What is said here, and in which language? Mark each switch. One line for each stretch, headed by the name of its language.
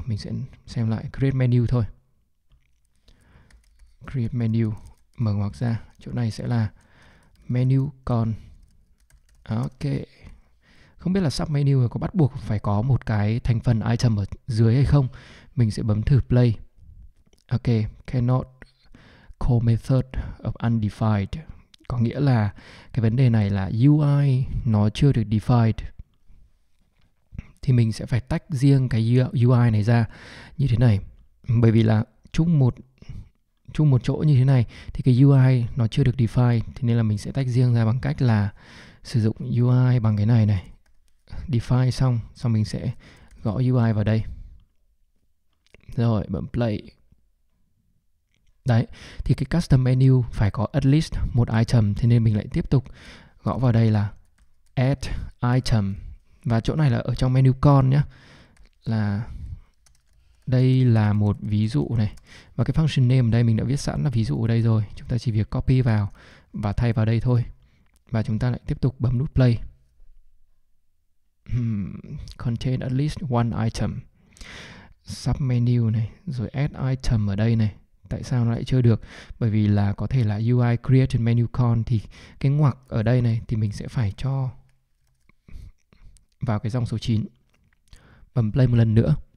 Vietnamese: Mình sẽ xem lại, create menu thôi. Create menu, mở ngoặc ra, chỗ này sẽ là menu con. Ok. Không biết là submenu có bắt buộc phải có một cái thành phần item ở dưới hay không. Mình sẽ bấm thử play.
English: Ok, cannot call method of undefined.
Vietnamese: Có nghĩa là cái vấn đề này là UI nó chưa được defined. Thì mình sẽ phải tách riêng cái UI này ra như thế này. Bởi vì là chung một chỗ như thế này thì cái UI nó chưa được defined. Thế nên là mình sẽ tách riêng ra bằng cách là sử dụng UI bằng cái này này. Define xong, mình sẽ gõ UI vào đây. Rồi, bấm play. Đấy, thì cái custom menu phải có
English: at least
Vietnamese: một item, thế nên mình lại tiếp tục gõ vào đây là add item. Và chỗ này là ở trong menu con nhé. Là đây là một ví dụ này. Và cái function name ở đây mình đã viết sẵn là ví dụ ở đây rồi. Chúng ta chỉ việc copy vào và thay vào đây thôi. Và chúng ta lại tiếp tục bấm nút play.
English: Contain at least one item.
Vietnamese: Submenu này, rồi add item ở đây này. Tại sao nó lại chưa được? Bởi vì là có thể là UI create menu con, thì cái ngoặc ở đây này thì mình sẽ phải cho vào cái dòng số 9. Bấm play một lần nữa.